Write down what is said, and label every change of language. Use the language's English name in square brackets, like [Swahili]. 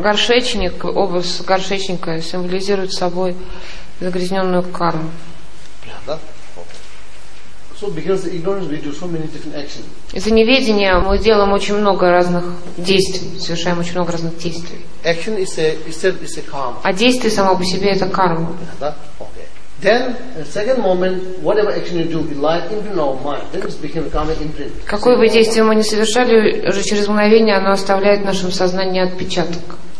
[Russian] Горшечник, образ горшечника символизирует собой загрязненную карму. [English] So because of ignorance we do so many different actions. [Russian] Из-за неведения мы делаем очень много разных действий, совершаем очень много разных действий. [English] Action is a karma. [Russian] А действие само по себе это карма. [English] Then in the second moment, whatever action you do, we lie imprint our mind. Then it becomes karma imprint. [Russian] Какое бы действие мы ни совершали, уже через мгновение оно оставляет в нашем сознании отпечаток.